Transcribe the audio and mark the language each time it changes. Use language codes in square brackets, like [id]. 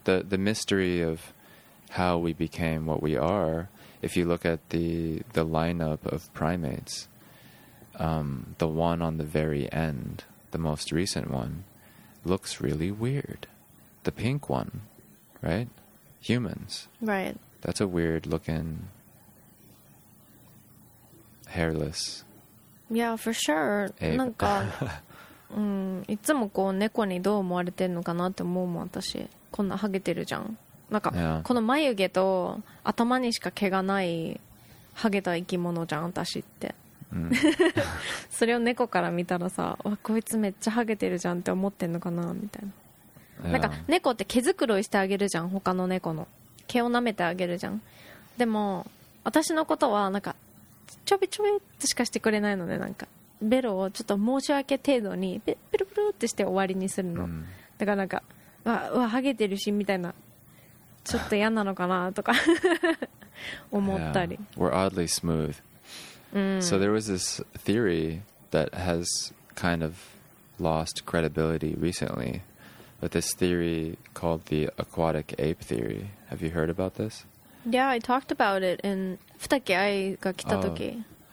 [en] The mystery of how we became what we are, if you look at the lineup of primates, the one on the very end, the most recent one, looks really weird. The pink one, right? Humans. Right. That's a weird looking hairless. Yeah, for sure. [ja] なんか いつもこう猫にどう思われてんのかなって思うもん私。こんなハゲてるじゃん。なんか、yeah. この眉毛と頭にしか毛がないハゲた生き物じゃん私って。それを猫から見たらさ、わこいつめっちゃハゲてるじゃんって思ってんのかなみたいな。なんか猫って毛づくろいしてあげるじゃん他の猫の毛を舐めてあげるじゃん。でも私のことはなんかちょびちょびってしかしてくれないので、なんかベロをちょっと申し訳程度にペルペルってして終わりにするの。だからなんかうわハゲてるしみたいな、ちょっと嫌なのかなとか思ったり。 [en] We're oddly smooth. So there was this theory that has kind of lost credibility recently. But this theory called the aquatic ape theory. Have you heard about this? Yeah, I talked about it in Futake Ai ga kita toki.